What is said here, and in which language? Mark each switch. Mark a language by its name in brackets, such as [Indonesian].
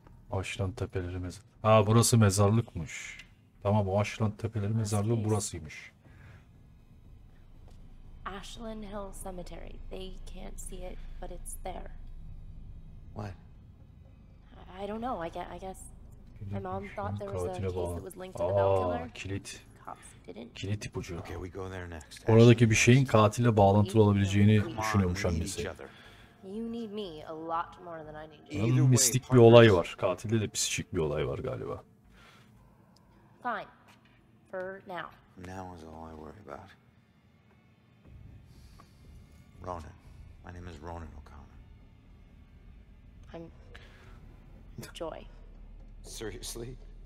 [Turkish] Aşlan tepeleri mezarlığı. Ha, burası mezarlıkmış. Tamam, o Aşlan tepeleri mezarlığı burasıymış. [English] Ashland Hill Cemetery. They can't see it, but it's there. What? I don't know. I guess my mom thought there was a case that was linked to the bell killer. [Turkish] Kilit. Kilit ipucu. [English] Okay, we go there next. [Turkish] Oradaki bir şeyin katille bağlantılı olabileceğini düşünüyormuş annesi. [English] You need me a lot more than I need you. [Turkish] Mistik bir olay var. Katilde de psikik bir olay var galiba. [English] Fine. For now. Now is all I worry about. Ronan. My name is Ronan O'Connor. I'm Joy. Seriously?